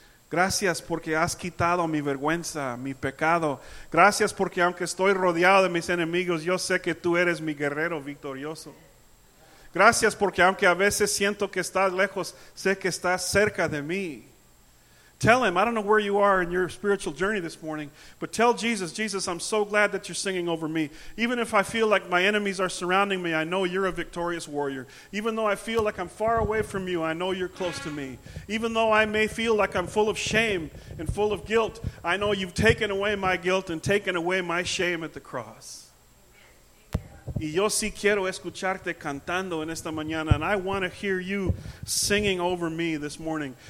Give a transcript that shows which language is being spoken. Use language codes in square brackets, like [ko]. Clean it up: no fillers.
[es] Gracias porque has quitado mi vergüenza, mi pecado. Gracias porque aunque estoy rodeado de mis enemigos, yo sé que tú eres mi guerrero victorioso. Gracias porque aunque a veces siento que estás lejos, sé que estás cerca de mí. [en] Tell him, I don't know where you are in your spiritual journey this morning, but tell Jesus, Jesus, I'm so glad that you're singing over me. Even if I feel like my enemies are surrounding me, I know you're a victorious warrior. Even though I feel like I'm far away from you, I know you're close to me. Even though I may feel like I'm full of shame and full of guilt, I know you've taken away my guilt and taken away my shame at the cross. [es] Y yo sí quiero escucharte cantando en esta mañana. [en] And I want to hear you singing over me this morning.